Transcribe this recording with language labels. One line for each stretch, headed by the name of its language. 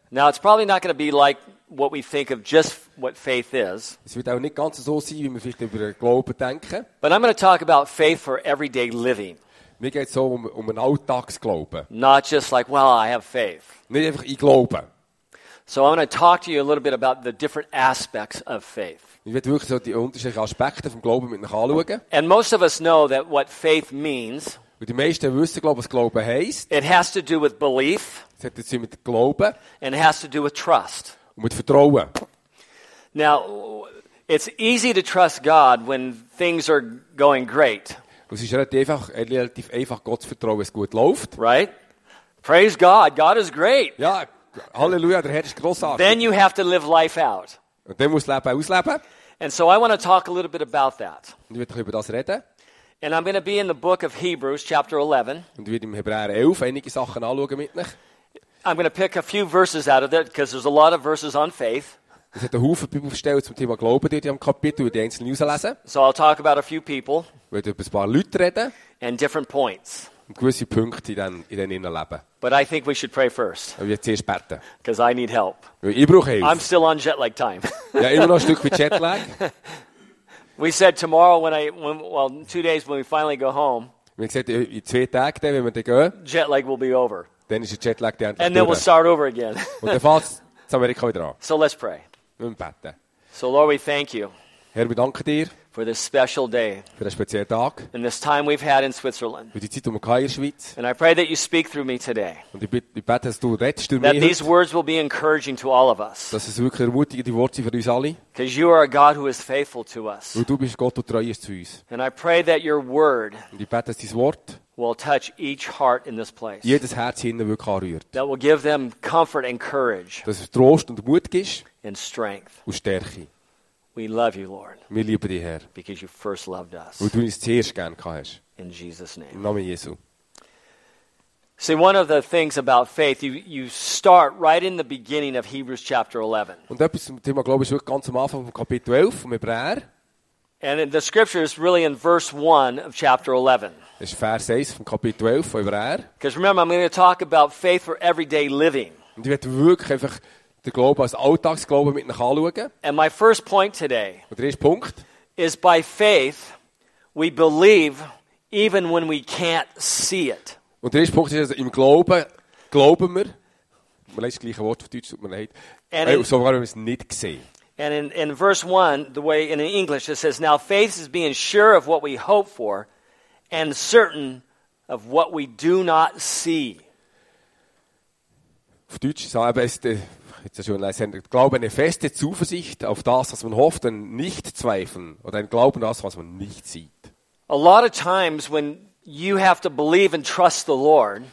English: Now, it's probably not going to be like what we think of just what faith is.
German: Es wird auch nicht ganz so sein, wie wir vielleicht über Glauben denken.
English: But I'm going to talk about faith for everyday living.
German: Mir geht es so um einen Alltagsglauben.
English: Not just like, well, I have faith.
German: Nicht einfach, ich glaube.
English: So I want to talk to you a little bit about the different aspects of faith.
German: Ich werde wirklich so die unterschiedlichen Aspekte vom Glauben mit euch anschauen.
English: And most of us know that what faith means.
German: Und die meisten wissen, glaube ich, was Glauben heisst.
English: It has to do with belief.
German: Es hat zu tun mit Glauben.
English: And it has to do with trust.
German: Und mit Vertrauen.
English: Now, it's easy to trust God when things are going great.
German: Und es ist relativ einfach, Gott zu vertrauen, wenn es gut läuft.
English: Right? Praise God. God is great.
German: Ja. Halleluja, der Herr ist großartig.
English: Then you have to live life out.
German: Und dann musst du Leben ausleben.
English: And so I want to talk a little bit about that.
German: Und ich werde über das reden.
English: And I'm going to be in the book of Hebrews, chapter 11.
German: Und ich werde im Hebräer 11 einige Sachen anschauen mit euch.
English: I'm going to pick a few verses out of that, because there's a lot of verses on faith.
German: Es hat eine Haufen Bibelstellen zum Thema Glauben, die am Kapitel die einzelnen auslesen.
English: So I'll talk about a few people.
German: Ich werde über ein paar Leute reden.
English: And different points.
German: Und gewisse Punkte in den Innenleben.
English: But I think we should pray first. Because I need help.
German: Ich brauche Hilfe.
English: I'm still on jet lag time.
German: Ja, immer noch ein Stück mit Jetlag.
English: We said tomorrow when we finally go home.
German: Wir haben gesagt, in 2 Tagen, dann, wenn wir dann gehen.
English: Jet lag will be over.
German: Dann ist der Jetlag
English: and then we'll start over again.
German: Und dann fängt es jetzt Amerika wieder an.
English: So let's pray.
German: Wir müssen beten.
English: So Lord, we thank you.
German: Herr, wir danken dir.
English: For this special day.
German: Für den speziellen Tag.
English: And this time we've had in Switzerland.
German: Für die Zeit, die wir hatten in der Schweiz.
English: And I pray that you speak through me today.
German: Und ich bete, dass du redest durch mich.
English: That these words will be encouraging to all of us.
German: Dass es wirklich ermutigende Worte für uns alle.
English: Because you are a God who is faithful to us.
German: Und du bist Gott, der treu ist zu uns.
English: And I pray that your word.
German: Und ich bete, dass dein Wort.
English: Will touch each heart in this place.
German: Jedes Herz hier innen wirklich anrührt.
English: That will give them comfort and courage.
German: Dass es Trost und Mut gibt.
English: And strength.
German: Und Stärke.
English: We love you, Lord.
German: Wir lieben dich, Herr.
English: Because you first loved us.
German: Weil du uns zuerst gern gehabt hast.
English: In Jesus' name.
German: Im Namen Jesu.
English: See, one of the things about faith, you start right in the beginning of Hebrews chapter 11.
German: Und etwas zum Thema Glaube ist wirklich ganz am Anfang vom Kapitel 11 vom Hebräer.
English: And the scripture is really in verse 1 of chapter 11.
German: Das ist Vers 1 vom Kapitel 12 von Hebräer.
English: Because remember, I'm going to talk about faith for everyday living.
German: Und ich werde wirklich einfach den Glauben als Alltagsglauben mit nach anschauen.
English: And my first point today is by faith we believe even when we can't see it.
German: Und der erste Punkt ist, also, im Glauben wir. Man lässt das gleiche Wort auf Deutsch, tut mir leid. Sogar wenn wir es nicht sehen.
English: And in verse 1, the way in English it says, now faith is being sure of what we hope for and certain of what we do not see.
German: Auf Deutsch sagen wir es, jetzt ist es schon, Glauben, eine feste Zuversicht auf das, was man hofft, und nicht zweifeln. Oder ein Glauben an das, was man nicht sieht.
English: A lot of times when you have to believe and trust the Lord,